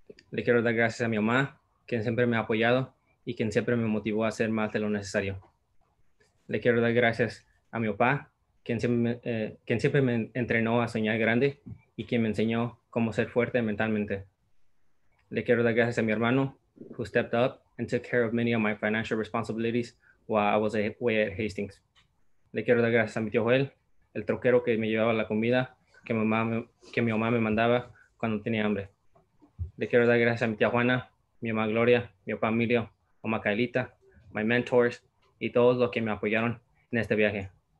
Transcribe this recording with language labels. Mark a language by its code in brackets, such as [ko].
[es] Le quiero dar gracias a mi mamá, quien siempre me ha apoyado y quien siempre me motivó a hacer más de lo necesario. Le quiero dar gracias a mi papá, quien siempre me entrenó a soñar grande y quien me enseñó cómo ser fuerte mentalmente. Le quiero dar gracias a mi hermano, [en] who stepped up and took care of many of my financial responsibilities while I was away at Hastings. [es] Le quiero dar gracias a mi tío Joel, el troquero que me llevaba la comida que mi mamá me mandaba cuando tenía hambre. Le quiero dar gracias a mi tía Juana, mi mamá Gloria, mi papá Emilio, mamá Kailita, [en] my mentors, [es] y todos los que me apoyaron en este viaje.